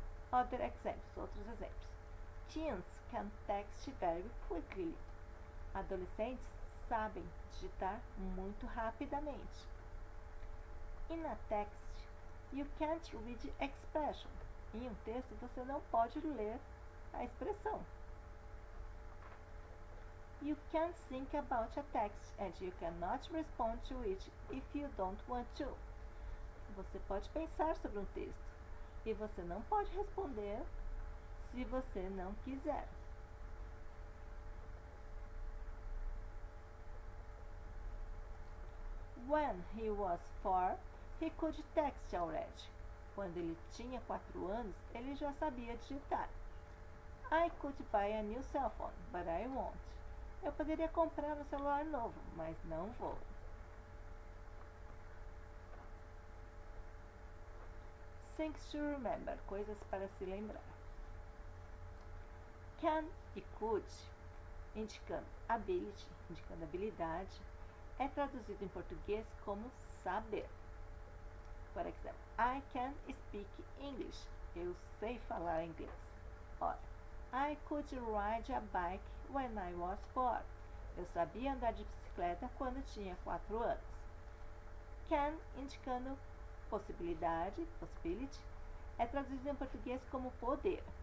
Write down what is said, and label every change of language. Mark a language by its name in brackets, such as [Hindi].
[English] Other examples, [Portuguese] outros exemplos. [English] Teens can text very quickly. [Portuguese] Adolescentes sabem digitar muito rapidamente. [English] In a text, you can't read expression. [Portuguese] Em um texto, você não pode ler a expressão. [English] You can think about a text and you cannot respond to it if you don't want to. [Portuguese] Você pode pensar sobre um texto e você não pode responder se você não quiser. [English] When he was 4, he could text already. [Portuguese] Quando ele tinha 4 anos, ele já sabia digitar. [English] I could buy a new cell phone, but I won't. [Portuguese] Eu poderia comprar um celular novo, mas não vou. [English] Things to remember, [Portuguese] coisas para se lembrar. Can e could, indicando habilidade, é traduzido em português como saber. [English] For example, I can speak English. [Portuguese] Eu sei falar inglês. [English] Ora, I could ride a bike when I was 4. [Portuguese] Eu sabia andar de bicicleta quando tinha 4 anos. Can, indicando possibilidade, possibility, é traduzido em português como poder.